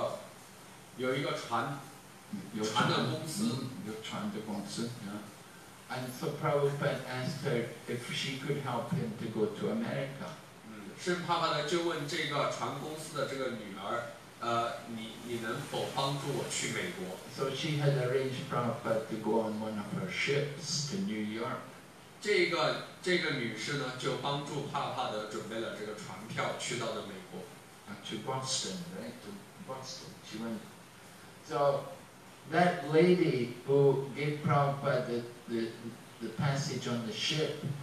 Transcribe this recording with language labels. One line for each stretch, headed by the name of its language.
Chinese: 圣帕帕德去见了一个非常年长的女士，她有一个船。有船的公司,
English: yeah. And so Prabhupada asked her if she could help him to go to America.
Chinese: 圣帕帕的就问这个船公司的这个女儿，你能否帮助我去美国？
English: So she had arranged Prabhupada to go on one of her ships to New York.
Chinese: 这个女士呢，就帮助帕帕的准备了这个船票去到的美国。
English: To Boston, right? To Boston. She went. So that lady who gave Prabhupada the passage on the ship,